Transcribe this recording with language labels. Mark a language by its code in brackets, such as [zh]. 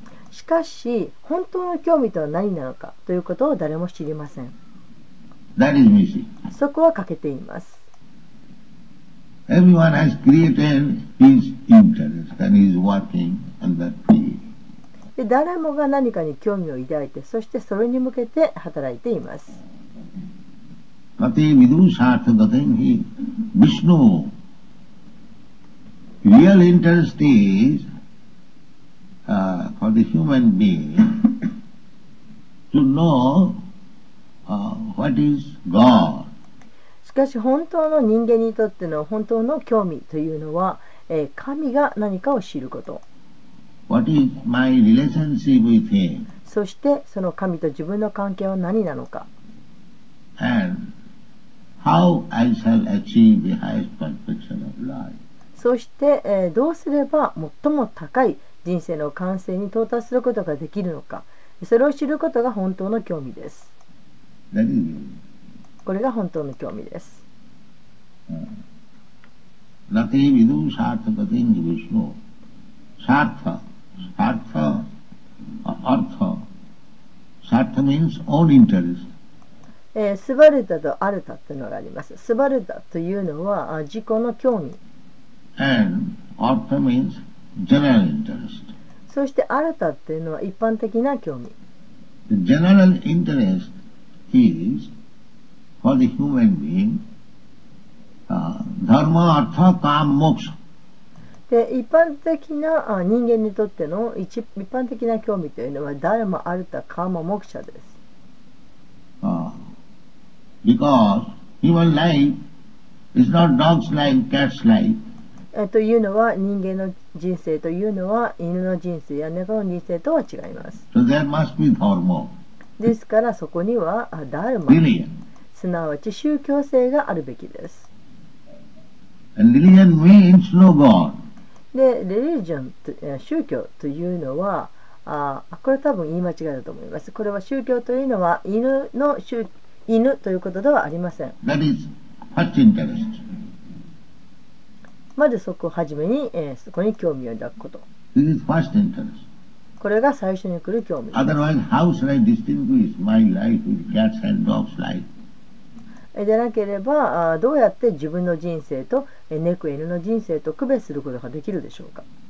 [ja] しかし、本当の興味とは何なのかということを誰も知りません。 [en] That is missing. [ja] そこは欠けています。 [en] Everyone has created his interest and is working on that field. [ja] 誰もが何かに興味を抱いて、そしてそれに向けて働いています。 [sa] Kati vidusha tadatenhi Vishnu. [en] Real interest is for the human being to know what is God. [ja] しかし本当の人間にとっての本当の興味というのは、神が何かを知ること。 [en] What is my relationship with him? [ja] そしてその神と自分の関係は何なのか。 [en] And how I shall achieve the highest perfection of life? [ja] そして、どうすれば最も高い人生の完成に到達することができるのか。それを知ることが本当の興味です。 [en] That is it. [ja] これが本当の興味です。 [sa] ナテイビドゥサッタタテンジヴィシュノ。サッタ、サッタ、アルタ。 [en] サッタ means own interest。 [ja] スバルタとアルタというのがあります。スバルタというのは自己の興味。 [en] And アルタ means general interest。 [ja] そしてアルタというのは一般的な興味。 [en] The general interest is. For the human being, dharma, artha, kama, moksha. [ja] で、一般的な人間にとっての一般的な興味というのは、ダルマ、アルタ、カーマ、モクシャです。 [en] Because human life is not dog's life, cat's life. [ja] というのは、人間の人生というのは、犬の人生や猫の人生とは違います。 [en] So there must be dharma. [ja] ですから、そこには、ダルマ。すなわち宗教性があるべきです。 [en] And religion means no God. [ja] で、レリジョン、宗教というのは、これ多分言い間違いだと思います。これは宗教というのは犬ということではありません。 [en] That is first interest. [ja] まずそこを初めに、そこに興味を抱くこと。 [en] This is first interest. [ja] これが最初に来る興味です。 [en] Otherwise, how shall I distinguish my life with cats and dogs' life? [ja] でなければどうやって自分の人生とネクエヌの人生と区別することができるでしょうか。